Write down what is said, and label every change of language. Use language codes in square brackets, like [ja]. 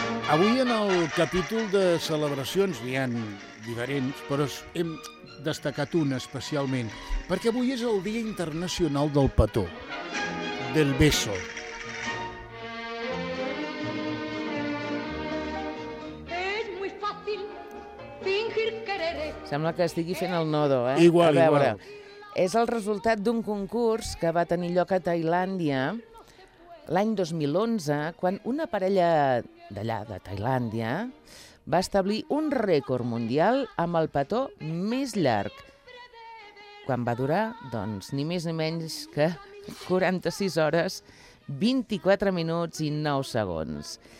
[ca] Avui en el capítol de celebracions n'hi ha diferents, però hem destacat una especialment, perquè avui és el Dia Internacional del Petó, del Beso. [es] Es muy fácil fingir querer. [ca] Sembla que estigui fent el nodo, Igual, a veure, igual. És el resultat d'un concurs que va tenir lloc a Tailàndia l'any 2011, quan una parella d'allà, de Tailàndia, va establir un rècord mundial amb el petó més llarg, quan va durar, doncs, ni més ni menys que 46 hores, 24 minuts i 9 segons.